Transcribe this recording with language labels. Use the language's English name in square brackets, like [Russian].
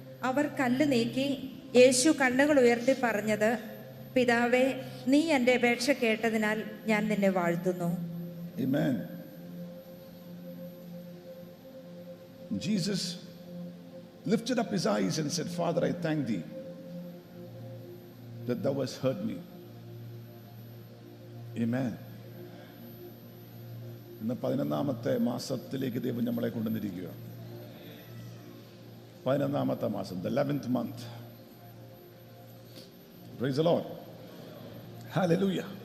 [Malayalam] അവർ കല്ല് നീക്കി യേശു കണ്ണുകൾ ഉയർത്തി പറഞ്ഞത്, പിതാവേ, നീ എന്റെ അപേക്ഷ കേട്ടതിനാൽ ഞാൻ നിന്നെ വാഴ്ത്തുന്നു. [English] Amen. Jesus lifted up his eyes and said, Father, I thank thee that thou hast heard me. Amen. [Malayalam] ഇന്ന് 11-ാമത്തെ മാസത്തിലേക്ക് ദൈവം നമ്മളെ കൊണ്ടുവന്നിരിക്കുക. 11-ാമത്തെ മാസം, [English] The 11th month. Praise the Lord, hallelujah.